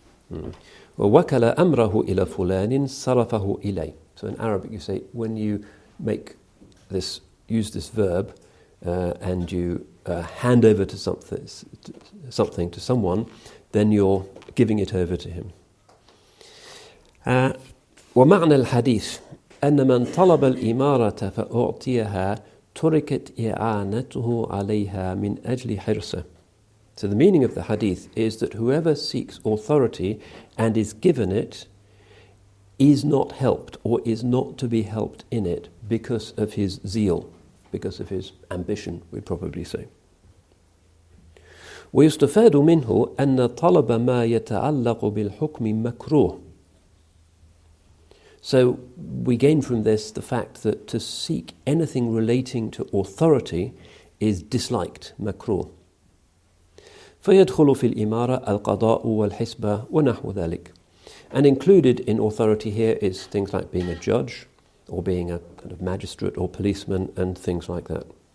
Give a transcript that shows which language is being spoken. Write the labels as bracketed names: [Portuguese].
[Arabic] وَوَكَلَ أَمْرَهُ إِلَى فُلَانٍ صَرَفَهُ إِلَيْ. [English] So in Arabic you say, when you use this verb and you hand over to something to someone, then you're giving it over to him. [Arabic] ومعنى الحديث أن من طلب الإمارة فأعطيها تركت إعانته عليها من أجل حرصه. [English] So the meaning of the hadith is that whoever seeks authority and is given it is not helped or is not to be helped in it because of his zeal, because of his ambition, we'd probably say. [Arabic] ويستفاد منه أن طلب ما يتعلق بالحكم مكروه. [English] So we gain from this the fact that to seek anything relating to authority is disliked, makruh. [Arabic] فَيَدْخُلُ فِي الْإِمَارَةِ أَلْقَضَاءُ وَالْحِسْبَةُ وَنَحْوَ ذَلِكَ. [English] And included in authority here is things like being a judge or being a kind of magistrate or policeman and things like that.